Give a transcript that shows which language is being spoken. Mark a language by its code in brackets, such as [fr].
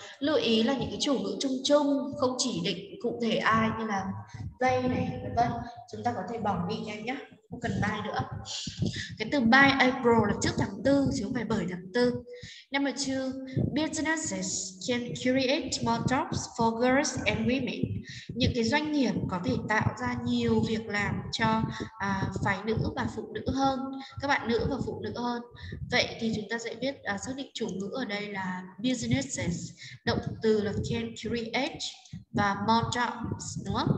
[vi] Lưu ý là những cái chủ ngữ chung chung không chỉ định cụ thể ai, như là they này, vân, chúng ta có thể bỏ đi nhanh nhé. Không cần by nữa. Cái từ by April là trước tháng 4 chứ không phải bởi tháng 4. [en] Number 2, businesses can create more jobs for girls and women. [vi] Những cái doanh nghiệp có thể tạo ra nhiều việc làm cho phái nữ và phụ nữ hơn, các bạn nữ và phụ nữ hơn. Vậy thì chúng ta sẽ biết xác định chủ ngữ ở đây là businesses, động từ là can create và more jobs, đúng không?